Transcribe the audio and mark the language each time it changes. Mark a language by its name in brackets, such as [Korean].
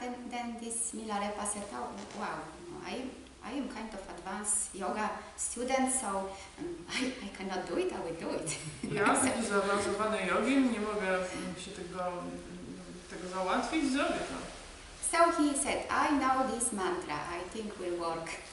[English] Then this Milarepa said, oh, wow, you know, I am kind of advanced yoga student, so I cannot do it, I will do it. [Polish] Ja jestem zaawansowany jogin, nie mogę się tego załatwić, zrobię to. [English] So he said, I know this mantra, I think will work.